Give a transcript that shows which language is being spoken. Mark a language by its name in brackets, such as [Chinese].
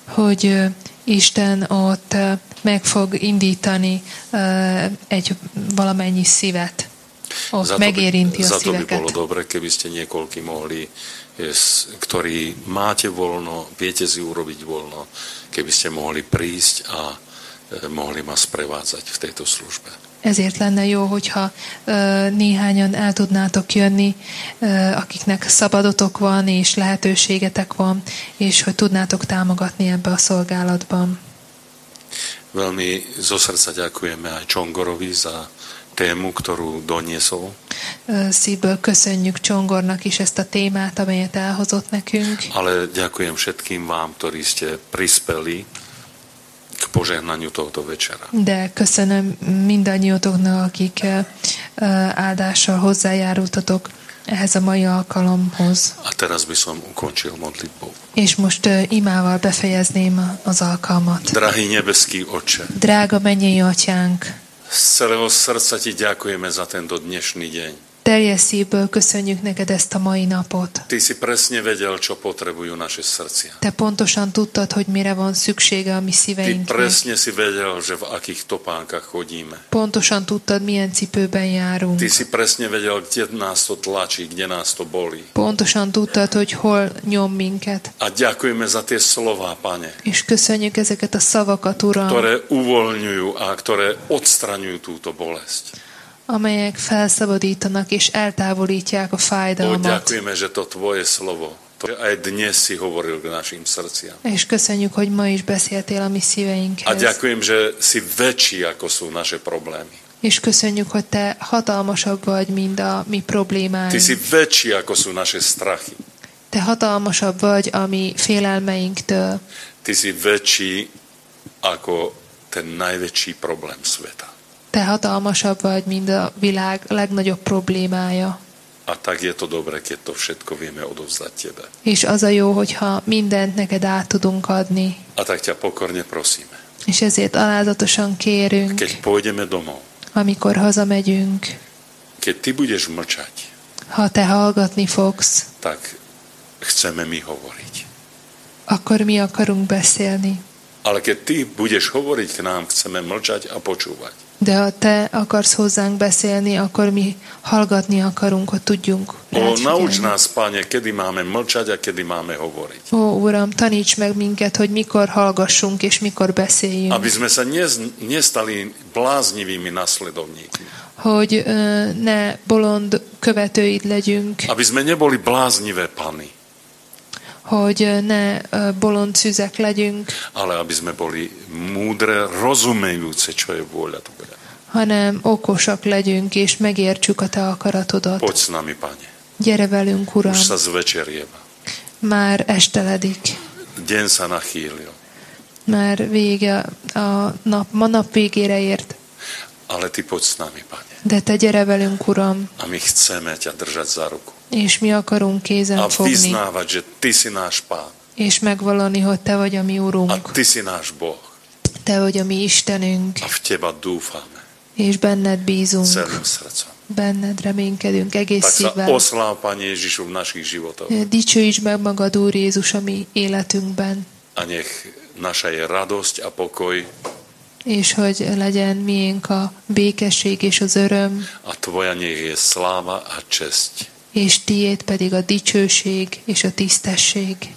[Hungarian] Hogy Isten ott meg fog indítani egy valamennyi szívet. Ott megérinti a szíveket. [Slovak] Za to by bolo dobre, keby ste niekoľký mohli, ktorý máte voľno, viete si urobiť voľno, keby ste mohli prísť a mohli ma sprevádzať v tejto službe. [Hungarian] Ezért lenne jó, hogyha néhányan el tudnátok jönni, akiknek szabadotok van és lehetőségetek van, és hogy tudnátok támogatni ebbe a szolgálatban. [Slovak] Veľmi zo srdca ďakujeme aj Csongorovi za tému, ktorú doniesol. [Hungarian] Szívből köszönjük Csongornak is ezt a témát, amelyet elhozott nekünk. [Slovak] Ale ďakujem všetkým vám, ktorí ste prispeli k požehnaniu tohoto večera. [Hungarian] De köszönöm mindannyiótoknak, akik áldással hozzájárultatok ehhez a mai alkalomhoz. [Slovak] A teraz by som ukončil modlitbou. [Hungarian] És most imával befejezném az alkalmat. [Slovak] Drahý nebeský Otče. [Hungarian] Drága mennyei Atyánk. [Slovak] Z celého srdca ti ďakujeme za tento dnešný deň. [Hungarian] Teljes szívből köszönjük neked ezt a mai napot. [Slovak] Ty si presne vedel, čo potrebujú naše srdcia. [Hungarian] Te pontosan tudtad, hogy mire van szüksége a mi szíveinknek. [Slovak] Ty presne si vedel, že v akých topánkach chodíme. [Hungarian] Pontosan tudtad, milyen cipőben járunk. [Slovak] Ty si presne vedel, kde nás to tlačí, kde nás to bolí. [Hungarian] Pontosan tudtad, hogy hol nyom minket. [Slovak] A ďakujeme za tie slová, Pane. [Hungarian] És köszönjük ezeket a szavakat, Uram. [Slovak] Ktoré uvoľňujú a ktoré odstraňujú túto bolesť. [Hungarian] Amelyek felszabadítanak és eltávolítják a fájdalmat. [Slovak] Ó, ďakujeme, že to tvoje slovo. to aj dnes si hovoril k našim srdciam. [Hungarian] És köszönjük, hogy ma is beszéltél a mi szíveinkhez. [Slovak] A ďakujem, že si väčší, ako sú naše problémy. [Hungarian] És köszönjük, hogy te hatalmasabb vagy, mint a mi problémáink. [Slovak] Ty si väčší, ako sú naše strachy. [Hungarian] Te hatalmasabb vagy a mi félelmeinktől. [Slovak] Ty si väčší, ako ten najväčší problém sveta. [Hungarian] Te hatalmasabb vagy, mint a világ legnagyobb problémája. [Slovak] A tak je to dobre, keď to všetko vieme odovzdať tebe. [Hungarian] És az a jó, hogyha mindent neked át tudunk adni. [Slovak] A tak ťa pokorne prosíme. [Hungarian] És ezért alázatosan kérünk. [Slovak] Keď pôjdeme domov. [Hungarian] Amikor hazamegyünk. [Slovak] Keď ty budeš mlčať. [Hungarian] Ha te hallgatni fogsz. [Slovak] Tak chceme mi hovoriť. [Hungarian] Akkor mi akarunk beszélni. [Slovak] Ale keď ty budeš hovoriť k nám, chceme mlčať a počúvať. [Hungarian] De ha te akarsz hozzánk beszélni, akkor mi hallgatni akarunk, hogy tudjunk. [Slovak] Ó, nauč nás, Pane, kedy máme mlčať a kedy máme hovoriť. [Hungarian] Ó, Uram, taníts meg minket, hogy mikor hallgassunk és mikor beszéljünk. [Slovak] Aby sme sa nestali bláznivými nasledovníkmi. [Hungarian] Hogy ne bolond követőid legyünk. [Slovak] Aby sme neboli bláznivé pany. [Hungarian] Hogy ne bolond szüzek legyünk. [Slovak] Ale aby sme boli múdre, rozumejúce, čo je vôľa Tvoja. [Hungarian] Hanem okosak legyünk, és megértsük a Te akaratodat. [Slovak] Poď s nami, Pane. [Hungarian] Gyere velünk, Uram. [Slovak] Už sa zvečerieva. [Hungarian] Már esteledik. [Slovak] Deň sa nachýlil. [Hungarian] Már vége a nap, ma nap végére ért. [Slovak] Ale Ty poď s nami, Pane. [Hungarian] De Te gyere velünk, Uram. [Slovak] A my chceme ťa držať za ruku. [Hungarian] És mi akarunk kézen fogni. [Slovak] A vyznávať, že Ty si náš Pán. [Hungarian] És megvallani, hogy Te vagy a mi Urunk. [Slovak] A Ty si náš Boh. [Hungarian] Te vagy a mi Istenünk. [Slovak] A v Teba dúfame. [Hungarian] És benned bízunk. [Slovak] Celým srdcom. [Hungarian] Benned reménykedünk egész [Slovak] tak [Hungarian] szívvel. [Slovak] Tak sa oslav, Pane Ježišu, v našich životoch. [Hungarian] Dicsőítsd meg magad, Úr Jézus, a mi életünkben. [Slovak] A nech naša je radosť a pokoj. [Hungarian] És hogy legyen miénk a békesség és az öröm. [Slovak] A Tvoja nech je sláva a česť. [Hungarian] És tiéd pedig a dicsőség és a tisztesség.